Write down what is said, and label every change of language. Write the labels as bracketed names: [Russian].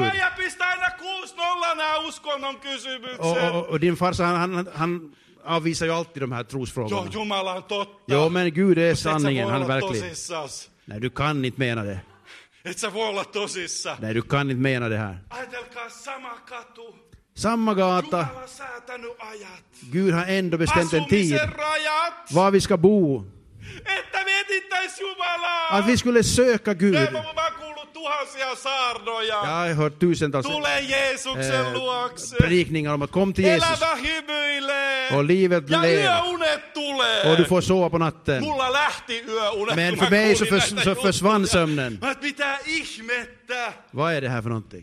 [Finnish] Sun faija pistää aina 6-0 nää uskonnon kysymyksen. [Swedish] Och din farsa, han avvisar ju alltid de här trosfrågorna. [Finnish] Jo, Jumala on totta. [Swedish] Jo, men Gud är sanningen, han är verkligen. Nej, du kan inte mena det. [Finnish] Et sä voi olla tosissa. [Swedish] Nej, du kan inte mena det här. [Finnish] Ajatelkaa sama katu. [Swedish] Samma gata. [Finnish] Jumala on säätänyt ajat. [Swedish] Gud har ändå bestämt en tid. [Finnish] Asumisen rajat. [Swedish] Var vi ska bo. [Finnish] Että me etittäis Jumalaa. [Swedish] Att vi skulle söka Gud. [Finnish] Nej, mä oon kuullut tuhansia saarnoja. [Swedish] Jag har hört tusentals. [Finnish] Tule Jeesuksen luokse. [Swedish] Predikningar om att kom till Jesus. [Finnish] Elävä hymyilee. [Swedish] Och livet [Finnish] blir. Ja yöunet tulee. [Swedish] Och du får sova på natten. [Finnish] Mulla lähti yöunet. [Swedish] Men för mig så försvann sömnen. [Finnish] Men mitä ihmettä. [Swedish] Vad är det här för någonting?